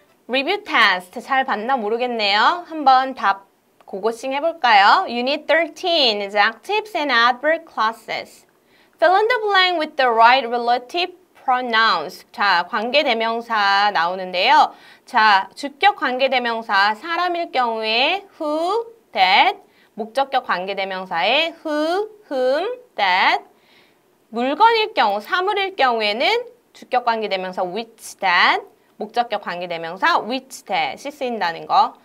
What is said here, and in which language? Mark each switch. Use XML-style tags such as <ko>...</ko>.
<ko>리뷰 테스트 잘 봤나 모르겠네요. 한번 답 고고씽 해볼까요?</ko> <en>Unit 13 is Active and Adverb Clauses. Fill in the blank with the right relative pronouns.</en> <ko>자, 관계대명사 나오는데요. 자, 주격 관계대명사 사람일 경우에 who, that, 목적격 관계대명사의 who, whom, that, 물건일 경우, 사물일 경우에는 주격 관계대명사 which, that, 목적격 관계대명사 which, that이 쓰인다는 거.</ko>